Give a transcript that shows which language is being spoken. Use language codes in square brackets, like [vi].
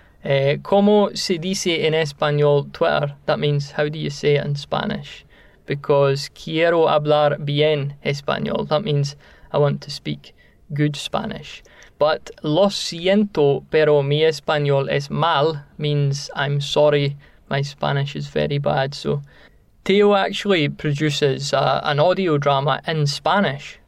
[es] ¿Cómo se dice en español Twitter? [en] That means, how do you say it in Spanish? Because [es] quiero hablar bien español. [en] That means, I want to speak good Spanish. But [es] lo siento, pero mi español es mal [en] means, I'm sorry, my Spanish is very bad. So Teo actually produces an audio drama in Spanish.